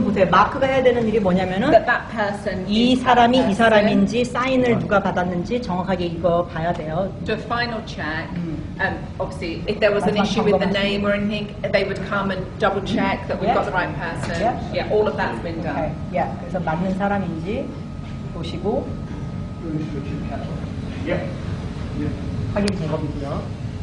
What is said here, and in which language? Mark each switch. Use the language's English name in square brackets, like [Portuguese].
[Korean] 마크가 해야 되는 일이 뭐냐면은 이 사람이 이 사람인지 사인을 누가 받았는지 정확하게 이거 봐야 돼요. [English] The final check. Obviously, if there was an issue with the name or anything, they would come and double check that we've got the right person. Yeah, all of that's been done. Okay. Yeah. [Korean] 그래서 맞는 사람인지 보시고 확인 작업이고요.